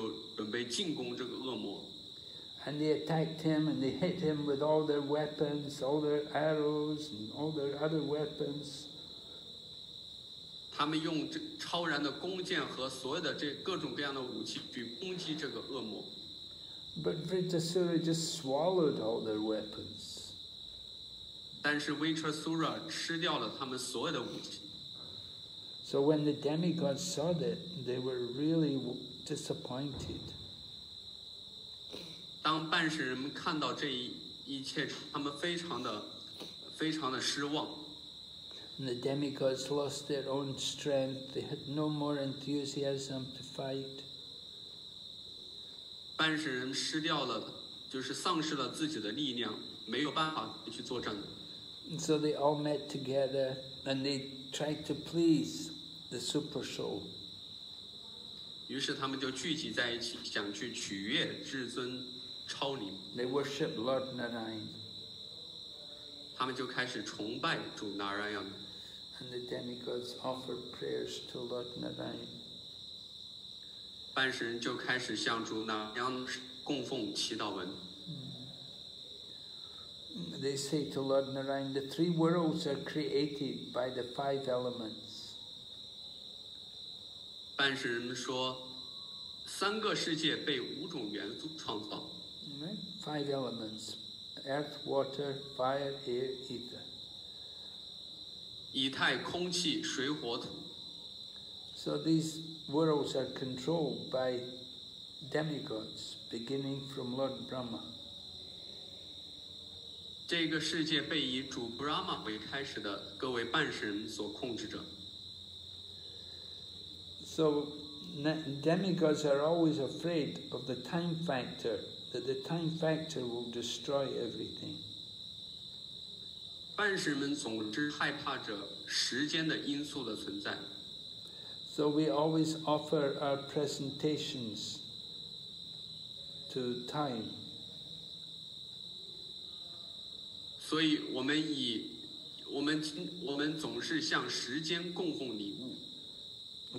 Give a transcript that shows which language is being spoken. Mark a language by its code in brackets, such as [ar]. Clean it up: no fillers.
[zh] 以Indra为首的半神人和所有的这些士兵们就准备进攻这个恶魔。 [en] And they attacked him and they hit him with all their weapons, all their arrows and all their other weapons. [zh] 他们用超然的弓箭和所有的这各种各样的武器去攻击这个恶魔。 [en] But Vritasura just swallowed all their weapons. [zh] 但是Vritasura吃掉了他们所有的武器。 [en] So when the demigods saw that, they were really disappointed. [zh] 当半世人们看到这一切，他们非常的失望。 [en] And the demigods lost their own strength. They had no more enthusiasm to fight. [zh] 半世人失掉了，就是丧失了自己的力量，没有办法去作战。 [en] So they all met together and they tried to please the super soul. [zh] 于是他们就聚集在一起，想去取悦至尊超灵。 [en] They worship Lord Narayan. [zh] 他们就开始崇拜主 Narayan. [en] And the demigods offered prayers to Lord Narayan. [zh] 半神人就开始向主 Narayan 供奉祈祷文。 [en] They say to Lord Narayan, the three worlds are created by the five elements. [zh] 半神人们说，三个世界被五种元素创造。 [en] Five elements: earth, water, fire, air, ether. [zh] 以太、空气、水、火、土。 [en] So these worlds are controlled by demigods, beginning from Lord Brahma. [zh] 这个世界被以主 Brahma 为开始的各位半神所控制着。 [en] So, demigods are always afraid of the time factor, that the time factor will destroy everything. [zh] 半神们总是害怕着时间的因素的存在。 [en] So we always offer our presentations to time. [zh] 所以我们以我们总是向时间供奉礼物。